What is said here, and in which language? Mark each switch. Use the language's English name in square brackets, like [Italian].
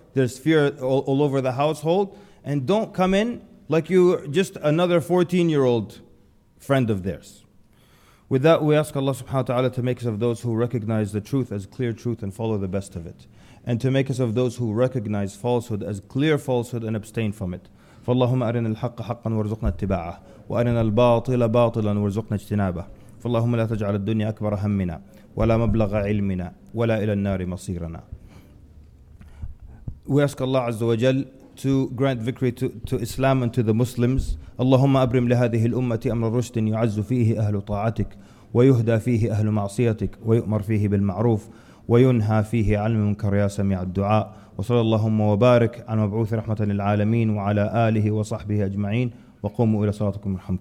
[English] There's fear all over the household. And don't come in like you're just another 14-year-old friend of theirs. With that, we ask Allah subhanahu wa ta'ala to make us of those who recognize the truth as clear truth and follow the best of it. and to make us of those who recognize falsehood as clear falsehood and abstain from it. [Arabic] فاللهم أرنا الحق حقا وارزقنا اتباعه وأرنا الباطل باطلا وارزقنا اجتنابه فاللهم لا تجعل الدنيا أكبر همنا ولا مبلغ علمنا ولا إلى النار مصيرنا. [English] We ask Allah Azza wa Jal to grant victory to Islam and to the Muslims. [Arabic] اللهم أبرم لهذه الأمة أمر رشد يعز فيه أهل طاعتك ويهدى فيه أهل معصيتك ويؤمر فيه بالمعروف وينهى فيه عن المنكر يا سميع الدعاء. وصلى اللهم وبارك على مبعوث رحمة للعالمين وعلى آله وصحبه أجمعين. وقوموا إلى صلاتكم ورحمكم.